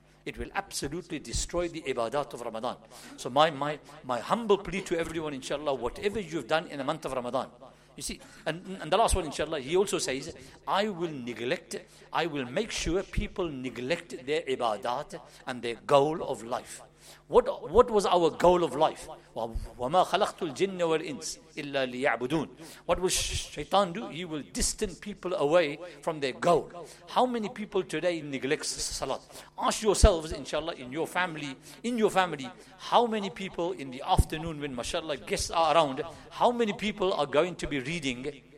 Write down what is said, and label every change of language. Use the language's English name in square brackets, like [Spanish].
[English] It will absolutely destroy the ibadat of Ramadan. So my humble plea to everyone, inshallah, whatever you've done in the month of Ramadan, you see, and the last one, inshallah, he also says, I will make sure people neglect their ibadat and their goal of life. What was our goal of life? [Arabic] وَمَا خَلَقْتُ الْجِنَّ وَالْإِنسِ إِلَّا لِيَعْبُدُونَ [English] What will shaitan do? He will distance people away from their goal. How many people today neglect salat? Ask yourselves, inshallah, in your family, how many people in the afternoon when mashallah guests are around, how many people are going to be reading?